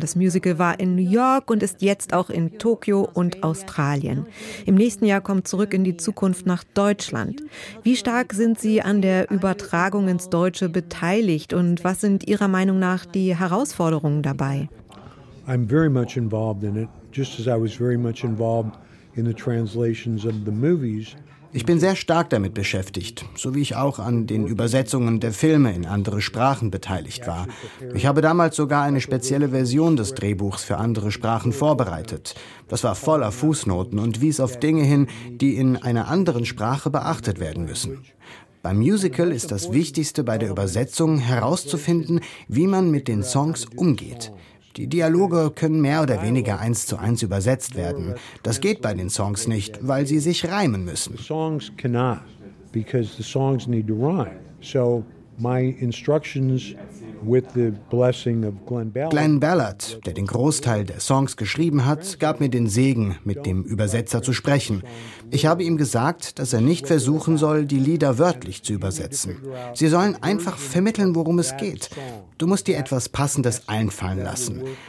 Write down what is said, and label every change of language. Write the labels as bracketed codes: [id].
[de] Das Musical war in New York und ist jetzt auch in Tokio und Australien. Im nächsten Jahr kommt Zurück in die Zukunft nach Deutschland. Wie stark sind Sie an der Übertragung ins Deutsche beteiligt und was sind Ihrer Meinung nach die Herausforderungen dabei? [en] I'm very much involved in it, just as I was very much involved in the translations of the movies. [de] Ich bin sehr stark damit beschäftigt, so wie ich auch an den Übersetzungen der Filme in andere Sprachen beteiligt war. Ich habe damals sogar eine spezielle Version des Drehbuchs für andere Sprachen vorbereitet. Das war voller Fußnoten und wies auf Dinge hin, die in einer anderen Sprache beachtet werden müssen. Beim Musical ist das Wichtigste bei der Übersetzung herauszufinden, wie man mit den Songs umgeht. Die Dialoge können mehr oder weniger eins zu eins übersetzt werden. Das geht bei den Songs nicht, weil sie sich reimen müssen. [en] Songs cannot, because the songs need to rhyme. So my instructions with the blessing of [de] Glenn Ballard, der den Großteil der Songs geschrieben hat, gab mir den Segen, mit dem Übersetzer zu sprechen. Ich habe ihm gesagt, dass er nicht versuchen soll, die Lieder wörtlich zu übersetzen. Sie sollen einfach vermitteln, worum es geht. Du musst dir etwas Passendes einfallen lassen.